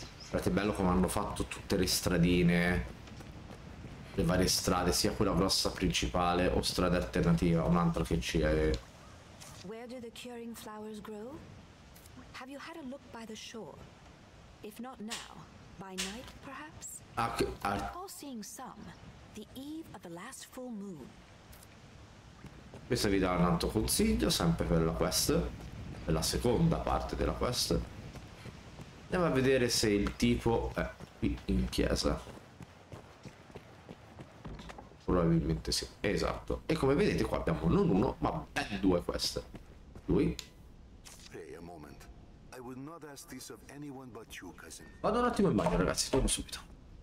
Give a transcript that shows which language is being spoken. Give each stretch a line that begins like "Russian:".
Italian: Guardate bello come hanno fatto tutte le stradine, le varie strade, sia quella grossa principale o strada alternativa, un'altra che ci è.
English: Where do the curing flowers grow? Have you had a look by the shore? If not now, by night perhaps? All seeing some, the eve of the last full moon.
Italian: Questo vi dà un altro consiglio, sempre per la quest, per la seconda parte della quest. Andiamo a vedere se il tipo è qui in chiesa. Probabilmente sì, esatto. E come vedete qua abbiamo non uno, ma ben due queste.
English: Lui. Hey, a moment. I would not ask this of anyone but you, cousin.
Italian: Vado un attimo in bagno, ragazzi, torno subito.